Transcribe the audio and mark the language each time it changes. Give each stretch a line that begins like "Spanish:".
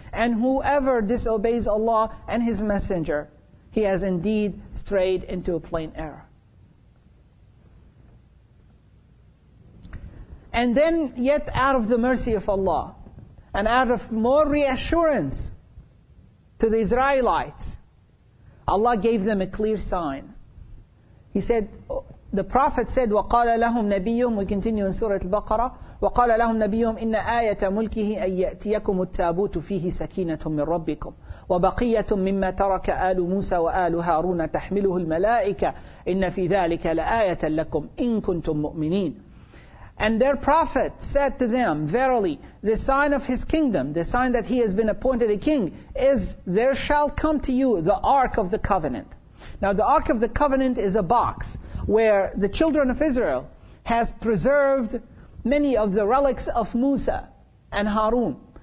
English: And whoever disobeys Allah and His Messenger, he has indeed strayed into a plain error. And then yet out of the mercy of Allah, and out of more reassurance to the Israelites, Allah gave them a clear sign. He said, the Prophet said,
Arabic: وَقَالَ لَهُمْ نَبِيُّهُمْ,
English: we continue in Surah Al-Baqarah,
Arabic: وَقَالَ لَهُمْ نَبِيُّهُمْ إِنَّ آيَةَ مُلْكِهِ أَن يَأْتِيَكُمُ التَّابُوتُ فِيهِ سَكِينَةٌ مِّن رَبِّكُمْ وبقية مما ترك آل موسى وآل هارون تحمله الملائكة إن في ذلك لآية لكم إن كنتم مؤمنين.
English: And their prophet said to them, verily, the sign of his kingdom, the sign that he has been appointed a king, is there shall come to you the Ark of the Covenant. Now the Ark of the Covenant is a box where the children of Israel has preserved many of the relics of Musa and Harun.